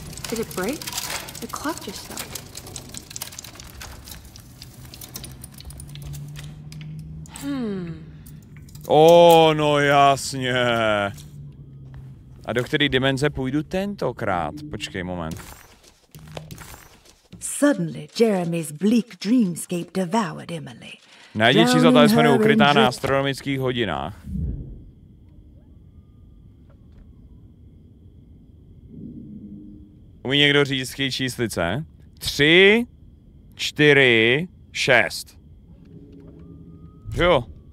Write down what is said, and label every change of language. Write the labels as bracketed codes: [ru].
[en] Did it break? The clock just stopped. [cs] Oh, no jasně. A do které dimenze půjdu tentokrát? Počkej moment. [en] Suddenly, Jeremy's bleak dreamscape devoured Emily. [cs] Největší za talisman je ukrytá na astronomických hodinách. Umí někdo říct ty číslice? 3, 4, 6. Jo.